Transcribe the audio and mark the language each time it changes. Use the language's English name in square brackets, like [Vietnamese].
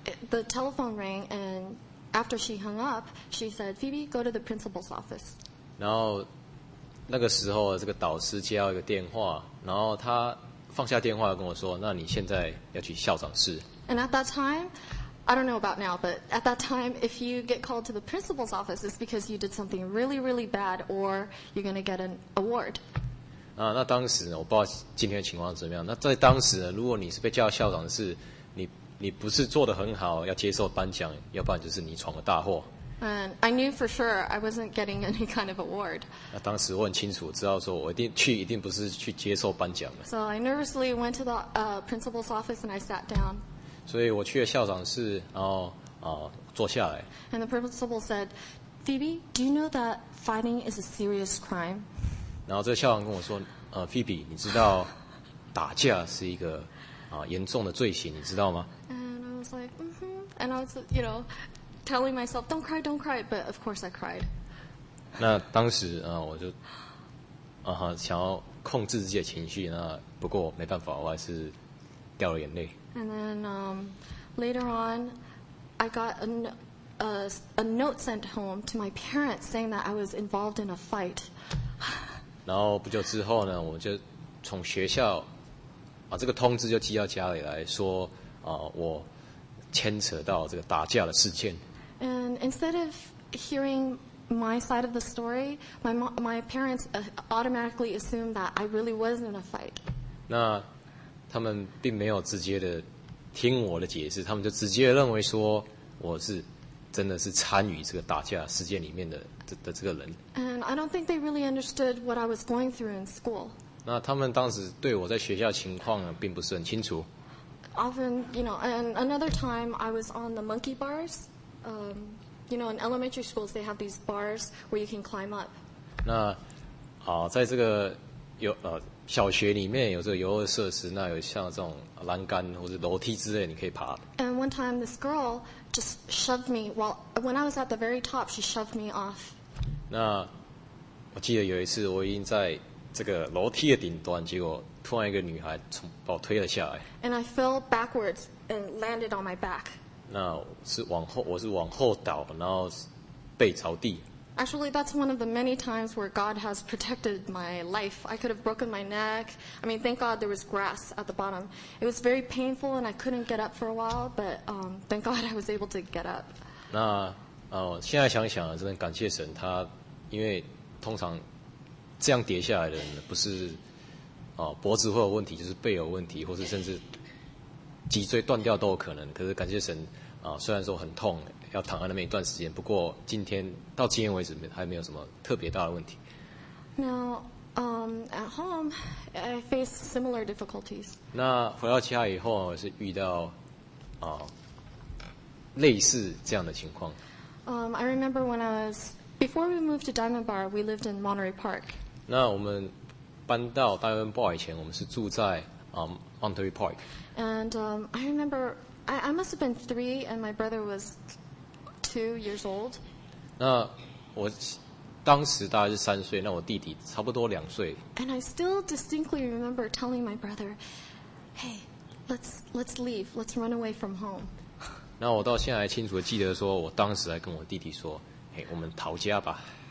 [English] The telephone rang, and after she hung up, she said, "Phoebe, go to the principal's office." [Chinese] 然后那个时候，这个导师接到一个电话，然后他放下电话跟我说，那你现在要去校长室。 [English] And at that time, I don't know about now, but at that time, if you get called to the principal's office, it's because you did something really, really bad, or you're going to get an award. [Chinese] 那当时呢，我不知道今天的情况怎么样。那在当时呢，如果你是被叫到校长室，你不是做得很好，要接受颁奖，要不然就是你闯了大祸。 [English] And I knew for sure I wasn't getting any kind of award. [Chinese] 那当时我很清楚，知道说我一定不是去接受颁奖的。 [English] So I nervously went to the principal's office and I sat down. [Chinese] 所以我去了校长室，然后坐下来。 [English] And the principal said, "Phoebe, do you know that fighting is a serious crime?" [Chinese] 然后这个校长跟我说，Phoebe, 你知道打架是一个严重的罪行，你知道吗？ [English] And I was like, mm-hmm. And I was, you know, telling myself, "Don't cry, don't cry." But of course, I cried. [Chinese] 那当时我就想要控制自己的情绪。那不过没办法，我还是掉了眼泪。 [English] And then later on, I got a note sent home to my parents saying that I was involved in a fight. [Chinese] 然后不久之后呢，我就从学校这个通知就寄到家里来说。我牵扯到这个打架的事件。 [English] And instead of hearing my side of the story, my parents automatically assumed that I really was in a fight. [Chinese] 那他们并没有直接的听我的解释，他们就直接认为说我是真的是参与这个打架事件里面的这个人。 [English] And I don't think they really understood what I was going through in school. [Chinese] 那他们当时对我在学校情况并不是很清楚。 [English] Often, you know, and another time I was on the monkey bars. You know, in elementary schools they have these bars where you can climb up. [Chinese] 那在这个小学里面有这个游乐设施，那有像这种栏杆或者楼梯之类，你可以爬。 [English] And one time this girl just shoved me. When I was at the very top, she shoved me off. [Chinese] 那我记得有一次我已经在这个楼梯的顶端，结果突然一个女孩把我推了下来。 [English] And I fell backwards and landed on my back. [Chinese] 那是往后，我是往后倒，然后背朝地。 [English] Actually, that's one of the many times where God has protected my life. I could have broken my neck. I mean, thank God there was grass at the bottom. It was very painful, and I couldn't get up for a while. But thank God I was able to get up. [Chinese] 那现在想想，真的感谢神，他因为通常这样跌下来的人，不是脖子会有问题，就是背有问题，或是甚至脊椎断掉都有可能。可是感谢神虽然说很痛。要躺在那边一段时间，不过今天到今天为止还没有什么特别大的问题。 [English] Now, at home, I face similar difficulties. [Chinese] 那回到家以后，我是遇到类似这样的情况。 [English] I remember when I was before we moved to Diamond Bar, we lived in Monterey Park. [Chinese] 那我们搬到 Diamond Bar 以前，我们是住在Monterey Park. [English] And I remember I must have been three, and my brother was2 years old. [Chinese] 那我当时大概是三岁，那我弟弟差不多两岁。 [English] And I still distinctly remember telling my brother, "Hey, let's leave, let's run away from home." [Chinese] 那我到现在还清楚地记得说，我当时还跟我弟弟说，嘿，我们逃家吧。